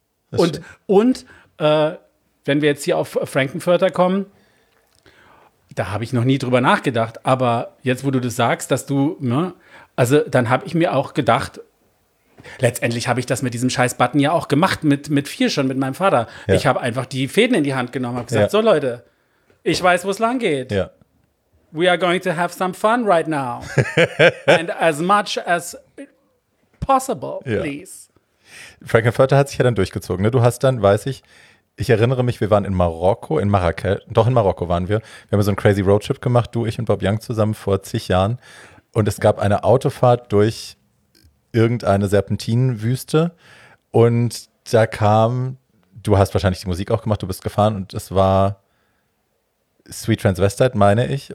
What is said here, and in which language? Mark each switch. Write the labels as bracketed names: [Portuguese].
[German] Wenn wir jetzt hier auf Frankenfurter kommen, da habe ich noch nie drüber nachgedacht, aber jetzt, wo du das sagst, dass du, ne, also dann habe ich mir auch gedacht, letztendlich habe ich das mit diesem scheiß Button ja auch gemacht, mit vier schon, mit meinem Vater. Ja. Ich habe einfach die Fäden in die Hand genommen, habe gesagt, ja. So Leute, ich weiß, wo es lang geht. Ja. [English] We are going to have some fun right now. And as much as possible, please. [German] Ja. Frankenfurter hat sich ja dann durchgezogen. Ne? Du hast dann, weiß ich, ich erinnere mich, wir waren in Marokko, in Marrakesch, doch in Marokko waren wir. Wir haben so einen crazy Roadtrip gemacht, du, ich und Bob Young zusammen vor zig Jahren. Und es gab eine Autofahrt durch irgendeine Serpentinenwüste. Und da kam, du hast wahrscheinlich die Musik auch gemacht, du bist gefahren und es war Sweet Transvestite, meine ich.